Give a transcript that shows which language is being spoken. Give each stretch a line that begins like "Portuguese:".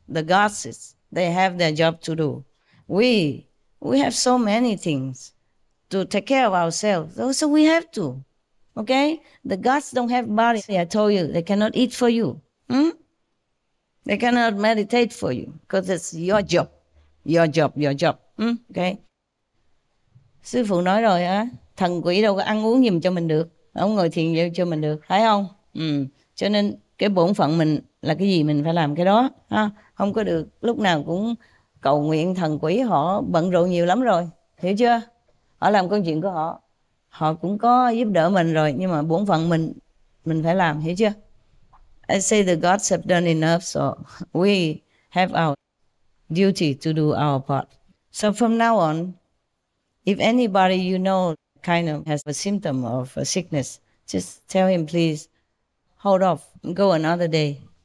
English: The gods, they have their job to do. We have so many things to take care of ourselves. So we have to, okay? The gods don't have bodies. I told you, they cannot eat for you. They cannot meditate for you because it's your job, your job, your job, okay?
Vietnamese: Sư phụ nói rồi á, thần quỷ đâu có ăn uống giùm cho mình được, không ngồi thiền giùm cho mình được, phải không? Cho nên cái bổn phận mình là cái gì mình phải làm cái đó, ha? Không có được lúc nào cũng cầu nguyện thần quỷ, họ bận rộn nhiều lắm rồi, hiểu chưa? Họ làm công chuyện của họ, họ cũng có giúp đỡ mình rồi, nhưng mà bổn phận mình phải làm, hiểu chưa?
English: I say the gods have done enough, so we have our duty to do our part. So from now on, if anybody you know kind of has a symptom of a sickness, just tell him, please, hold off, go another day.